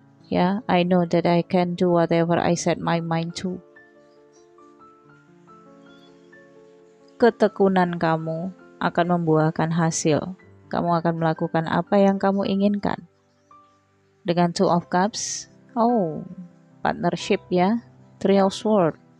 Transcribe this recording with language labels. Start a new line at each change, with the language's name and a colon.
English: Ya, I know that I can do whatever I set my mind to.
Indonesian: Ketekunan kamu akan membuahkan hasil. Kamu akan melakukan apa yang kamu inginkan. Dengan Two of Cups, oh, partnership ya, Three of Swords.